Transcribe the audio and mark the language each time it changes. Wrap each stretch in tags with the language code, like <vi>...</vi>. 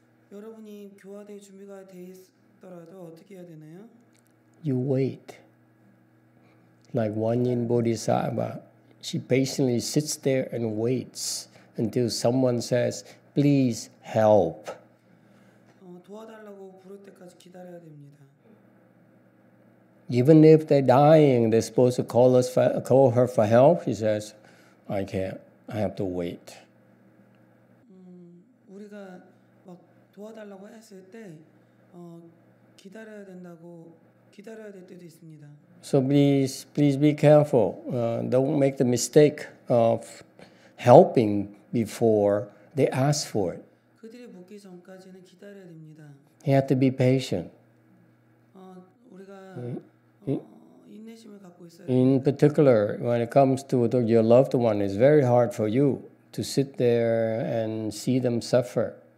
<ko>여러분이 교화될 준비가 돼 있더라도 어떻게 해야 되나요?</ko> <en>You wait. Like one in Bodhisattva. She patiently sits there and waits until someone says, please help.</en> <ko>도와달라고 부를 때까지 기다려야 됩니다.</ko> <en>Even if they're dying, they're supposed to call her for help. She says, I can't. I have to wait.</en> <ko>우리가 막 도와달라고 했을 때 기다려야 된다고 기다려야 될 때도 있습니다.</ko> <en>So please be careful. Don't make the mistake of helping before they ask for it.</en> <ko>그들이 묻기 전까지는 기다려야 됩니다.</ko> <en>You have to be patient.</en> <ko>우리가 인내심을 갖고 있어야</ko> <en>In particular, when it comes to your loved one, it's very hard for you to sit there and see them suffer.</en>